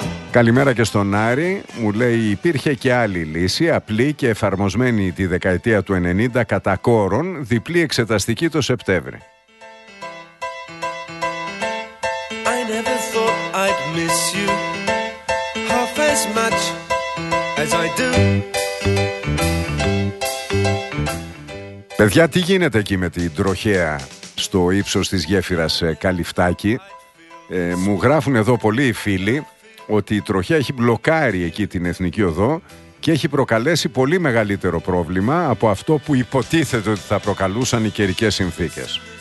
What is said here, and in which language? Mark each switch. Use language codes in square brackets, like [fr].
[el] Καλημέρα και στον Άρη. Μου λέει, υπήρχε και άλλη λύση, απλή και εφαρμοσμένη τη δεκαετία του 90 κατά κόρον, διπλή εξεταστική το Σεπτέμβρη. [en] I never thought I'd miss you half as much as I do. [el] Παιδιά, τι γίνεται εκεί με την τροχέα στο ύψος της γέφυρας Καλυφτάκη? Μου γράφουν εδώ πολλοί φίλοι ότι η τροχέα έχει μπλοκάρει εκεί την Εθνική Οδό και έχει προκαλέσει πολύ μεγαλύτερο πρόβλημα από αυτό που υποτίθεται ότι θα προκαλούσαν οι καιρικές συνθήκες.